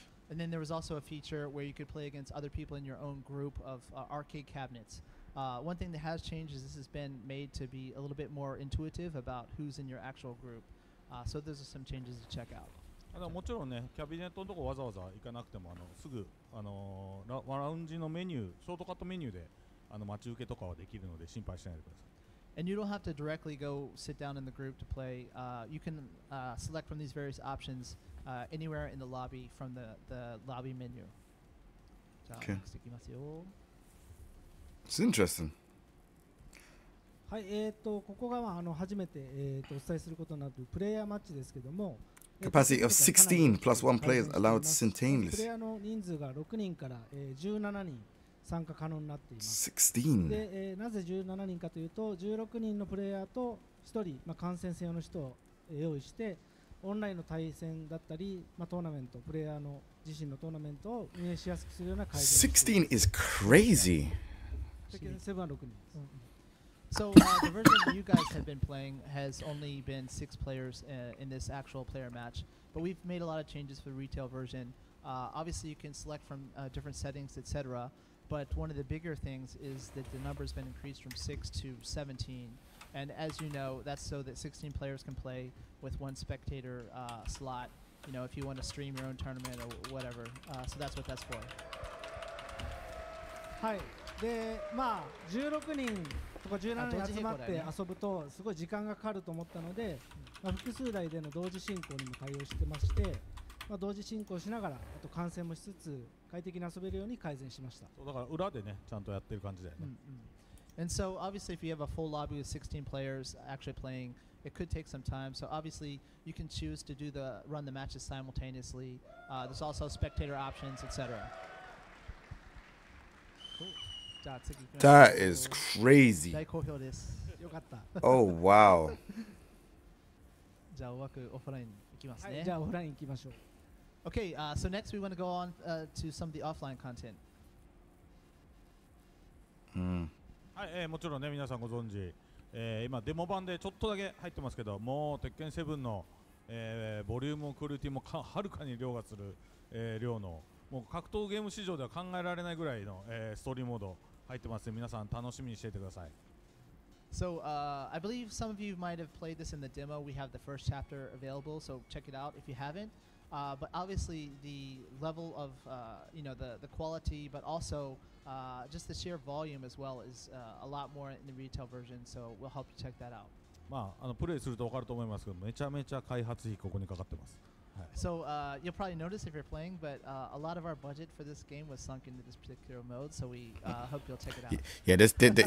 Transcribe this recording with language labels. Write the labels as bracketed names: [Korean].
[English] And then there was also a feature where you could play against other people in your own group of arcade cabinets. One thing that has changed is this has been made to be a little bit more intuitive about who's in your actual group. So those are some changes to check out. [Japanese] もちろんね、キャビネットのとこわざわざ行かなくても、あのすぐあのラウンジのメニュー、ショートカットメニューであの待ち受けとかはできるので心配しないでください。 [English] And you don't have to directly go sit down in the group to play. You can select from these various options anywhere in the lobby from the lobby menu. Okay. It's interesting. [Japanese] はい、ここがあの初めて、お伝えすることになるプレイヤーマッチですけども、 [English] Capacity of 16 plus one players allowed simultaneously. [Japanese] プレイヤーの人数が6人から、17人。参加可能になっています。 [English] 16 [Japanese] で、なぜ17人かというと、16人のプレイヤーと1人、まあ、感染性の人を用意してオンラインの対戦だったり、まあ、トーナメント、プレイヤーの自身のトーナメントを運営しやすくするような改善。 [English] 16 is crazy. [Japanese] 7は6人です。 [English] So the version you guys have been playing has only been 6 players in this actual player match, but we've made a lot of changes for the retail version. Obviously you can select from different settings, etc. But one of the bigger things is that the number has been increased from 6 to 17. And as you know, that's so that 16 players can play with one spectator slot, you know, if you want to stream your own tournament or whatever. So that's what that's for. [Japanese] はい。で、まあ、16人とか17人集まって遊ぶとすごい時間がかかると思ったので、まあ、複数台での同時進行にも対応してまして、まあ、同時進行しながら、あと観戦もしつつ、快適に遊べるように改善しました。そうだから裏でね、ちゃんとやってる感じだよね。 [English] And so obviously if you have a full lobby with 16 players actually playing, it could take some time. So obviously you can choose to run the matches simultaneously. There's also spectator options, etc. That is crazy. [Japanese] 大好評です。よかった。 [English] Oh wow. [Japanese] じゃあ枠オフライン行きますね。はい、じゃあオフライン行きましょう。 [English] Okay, so next we want to go on to some of the offline content. [Japanese] はい、もちろんね、皆さんご存知、今デモ版でちょっとだけ入ってますけど、もう鉄拳7の、ボリュームもクオリティもはるかに凌駕する、量の、もう格闘ゲーム市場では考えられないぐらいの、ストーリーモード入ってますね。皆さん楽しみにしていてください。 [English] So, I believe some of you might have played this in the demo. We have the first chapter available, so check it out if you haven't. But obviously the level of, you know, the quality, but also just the sheer volume as well is a lot more in the retail version, so we'll help you check that out. [Japanese] まあ、あのプレイすると分かると思いますけど、めちゃめちゃ開発費ここにかかってます。 [English] はい、so you'll probably notice if you're playing, but a lot of our budget for this game was sunk into this particular mode, so we hope you'll check it out.